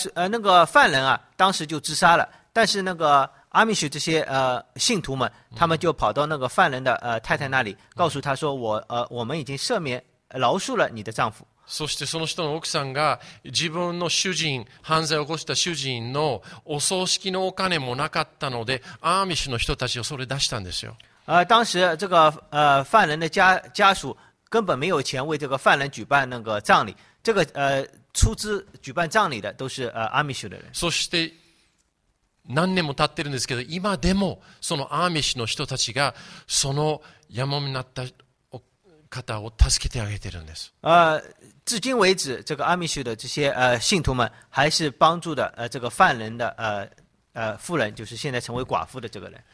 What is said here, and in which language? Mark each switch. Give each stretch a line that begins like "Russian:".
Chinese: 那个犯人啊，当时就自杀了，但是那个阿米什这些信徒们，他们就跑到那个犯人的太太那里，告诉他说我们已经赦免饶恕了你的丈夫。
Japanese: そしてその人の奥さんが自分の主人、犯罪を起こした主人のお葬式のお金もなかったので、アーミッシュの人たちをそれ出したんですよ。
Chinese: 当时这个犯人的家属根本没有钱为这个犯人举办那个葬礼，这个出资举办葬礼的都是阿米什的人。
Japanese: そして何年も経ってるんですけど、今でもそのアーミッシュの人たちがその山盛りになった方を助けてあげてるんです。
Chinese: 至今为止，这个阿米什的这些信徒们还是帮助的这个犯人的妇人，就是现在成为寡妇的这个人。